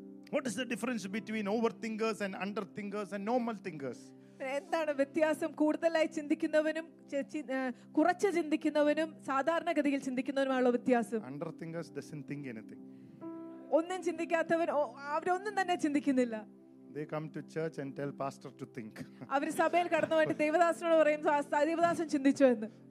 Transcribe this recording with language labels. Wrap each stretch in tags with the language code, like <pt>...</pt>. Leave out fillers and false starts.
<en>What is the difference between overthinkers and underthinkers and normal thinkers?</en> <ml>എന്താണ് വ്യത്യാസം കൂടുതലായി ചിന്തിക്കുന്നവനും കുറച്ച് ചിന്തിക്കുന്നവനും സാധാരണഗതിയിൽ ചിന്തിക്കുന്നവനുമുള്ള വ്യത്യാസം?</ml> <en>Underthinkers doesn't think anything.</en> <ml>ഒന്നും ചിന്തിക്കാത്തവൻ അവരൊന്നും തന്നെ ചിന്തിക്കുന്നില്ല.</ml> <en>They come to church and tell pastor to think.</en> <ml>അവർ സഭയിൽ കടന്നു വന്നിട്ട് ദേവദാസനോട് പറയും, ദേവദാസൻ ചിന്തിച്ചു എന്ന്.</ml>